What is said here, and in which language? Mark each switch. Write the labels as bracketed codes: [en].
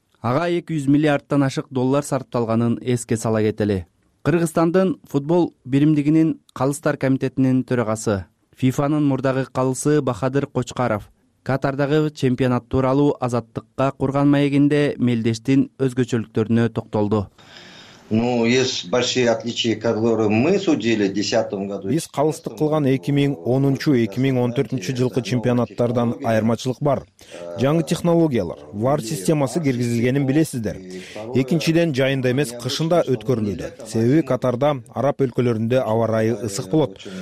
[ky] Ага 200 миллиарддан ашык доллар сарпталганын эске сала кетели. Кыргызстандын футбол биримдигинин калыстар комитетинин төрагасы, ФИФАнын мурдагы калысы Бахадыр Кочкаров Катардагы чемпионат тууралуу азаттыкка курган маегинде мелдештин өзгөчөлүктөрүнө токтолду. [ru] Ну, есть большие отличия, которые мы судили в 10-м году. [ky] Биз калыстык кылган 2010-2014 жылкы чемпионаттардан айырмачылык бар. Жаңы технологиялар, VAR системасы киргизилгенин билесиздер. Экинчиден, жайында эмес, кышында өткөрүлүүдө. Себеби Катарда араб өлкөлөрүндө аба ырайы ысык болот.